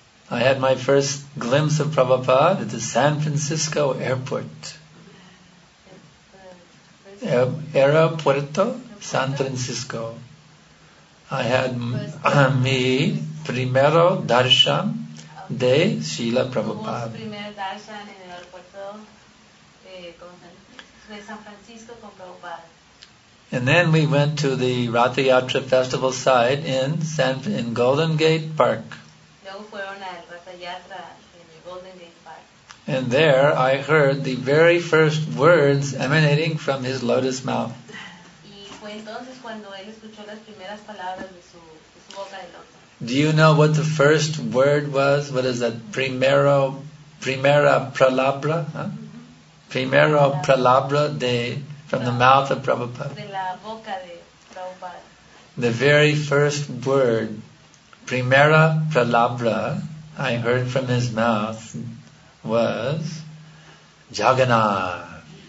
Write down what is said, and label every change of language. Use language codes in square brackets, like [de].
[en] I had my first glimpse of Prabhupada at the San Francisco airport. [es] Aeropuerto San Francisco. [en] I had [es] mi primero [en] darshan de Srila Prabhupada. [es] Primer darshan en el aeropuerto de de San Francisco con Prabhupada. [en] And then we went to the Ratha Yatra festival site in Golden Gate Park. [es] Luego fueron al Ratha Yatra en el Golden Gate Park. [en] And there I heard the very first words emanating from his lotus mouth. [es] Y fue entonces cuando él escuchó las primeras palabras de su boca de loto. [en] Do you know what the first word was? What is that? [es] Primera palabra? [en] Huh? [es] Primera palabra de... [en] From the mouth of Prabhupada. [es] De la boca de Prabhupada. [en] The very first word, [es] primera palabra, [en] I heard from his mouth was Jagannath.